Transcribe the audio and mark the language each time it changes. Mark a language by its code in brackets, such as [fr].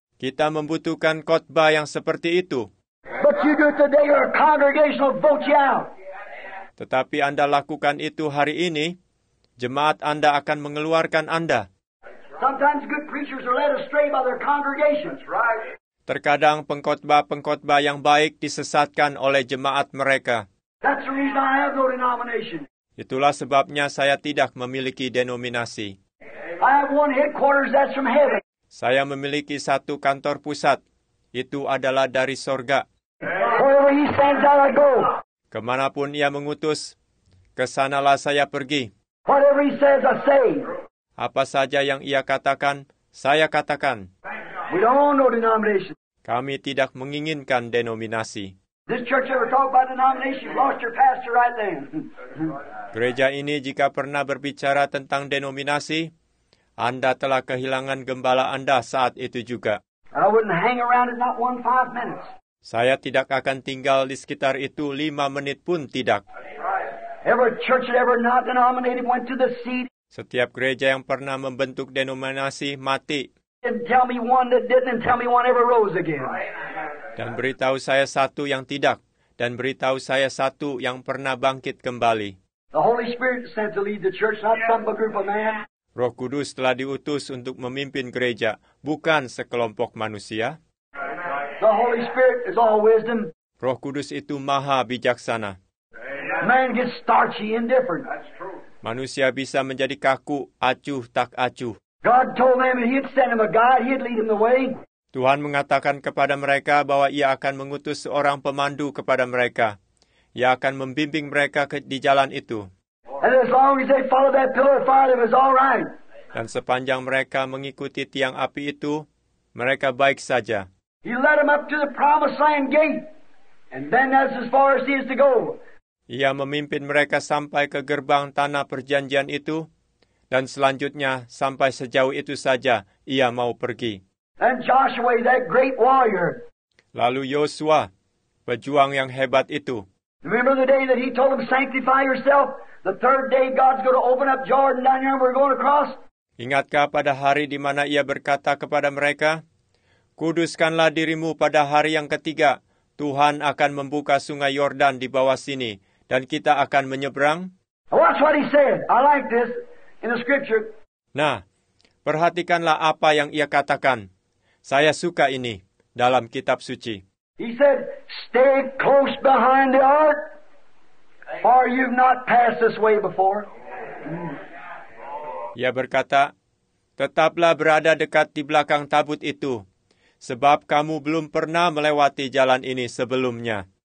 [id] Kita membutuhkan khotbah yang seperti itu. [en] But you do it today or a congregation will vote you out. [id] Tetapi Anda lakukan itu hari ini, jemaat Anda akan mengeluarkan Anda. [en] Sometimes good preachers are led astray by their congregations, right? [id] Terkadang pengkhotbah-pengkhotbah yang baik disesatkan oleh jemaat mereka. [en] That's the reason I have no denomination. [id] Itulah sebabnya saya tidak memiliki denominasi. [en] I have one headquarters that's from heaven. [id] Saya memiliki satu kantor pusat. Itu adalah dari sorga. [en] Wherever he sends out, I go. [id] Kemanapun ia mengutus, kesanalah saya pergi. [en] Whatever he says, I say. [id] Apa saja yang ia katakan, saya katakan. [en] We don't want no denomination. [id] Kami tidak menginginkan denominasi. [en] This church ever talk about denomination, lost your pastor right then. [id] Gereja ini jika pernah berbicara tentang denominasi, Anda telah kehilangan gembala Anda saat itu juga. [en] I wouldn't hang around it not one five minutes. [id] Saya tidak akan tinggal di sekitar itu 5 menit pun tidak. [en] Every church that ever not denominated went to the seed. [id] Setiap gereja yang pernah membentuk denominasi mati. [en] And tell me one that didn't, and tell me one ever rose again. [id] Dan beritahu saya satu yang tidak, dan beritahu saya satu yang pernah bangkit kembali. [en] The Holy Spirit sent to lead the church, not some group of man. [id] Roh Kudus telah diutus untuk memimpin gereja, bukan sekelompok manusia. [en] The Holy Spirit is all wisdom. [id] Roh Kudus itu maha bijaksana. [en] Man gets starchy, indifferent. That's true. [id] Manusia bisa menjadi kaku, acuh tak acuh. [en] God told them that he'd send him a guide, he'd lead him the way. [id] Tuhan mengatakan kepada mereka bahwa ia akan mengutus seorang pemandu kepada mereka. Ia akan membimbing mereka di jalan itu. [en] And as long as they follow that pillar of fire, it was all right. [id] Dan sepanjang mereka mengikuti tiang api itu, mereka baik saja. [en] He led them up to the promised land gate, and then that's as far as he is to go. [id] Ia memimpin mereka sampai ke gerbang tanah perjanjian itu. Dan selanjutnya, sampai sejauh itu saja, ia mau pergi. [en] And Joshua, that great warrior. [id] Lalu Yosua, pejuang yang hebat itu. [en] Remember the day that he told him, sanctify yourself? The third day God's going to open up Jordan down here and we're going across? [id] Ingatkah pada hari di mana ia berkata kepada mereka, kuduskanlah dirimu pada hari yang ketiga, Tuhan akan membuka sungai Yordan di bawah sini, dan kita akan menyeberang? [en] Watch what he said. I like this. In the scripture. [id] Nah, perhatikanlah apa yang ia katakan. Saya suka ini dalam kitab suci. [en] He said, "Stay close behind the ark, for you've not passed this way before." [id] Ia berkata, "Tetaplah berada dekat di belakang tabut itu, sebab kamu belum pernah melewati jalan ini sebelumnya."